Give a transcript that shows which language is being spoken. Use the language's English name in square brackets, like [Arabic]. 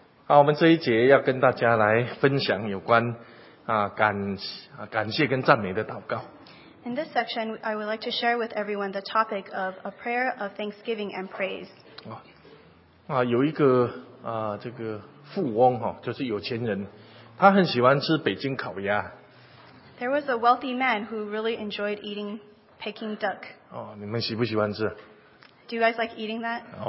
[Chinese] 好，我们这一节要跟大家来分享有关感谢跟赞美的祷告。 [English] In this section, I would like to share with everyone the topic of a prayer of thanksgiving and praise. [Chinese] 有一个这个富翁就是有钱人，他很喜欢吃北京烤鸭。 [English] There was a wealthy man who really enjoyed eating Peking duck. [Chinese] 你们喜不喜欢吃？ [English] Do you guys like eating that?